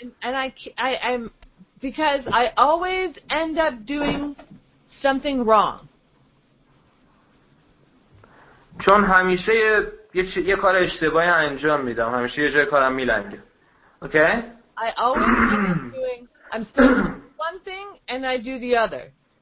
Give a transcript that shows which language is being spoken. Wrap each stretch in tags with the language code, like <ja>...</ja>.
<en>And I'm because I always end up doing something wrong.</en> <fa>چون همیشه یه کار اشتباهی انجام میدم، همیشه یه جای کارم میلنگه.</fa> <en>Okay. I always end up doing I'm still doing one thing and I do the other.</en>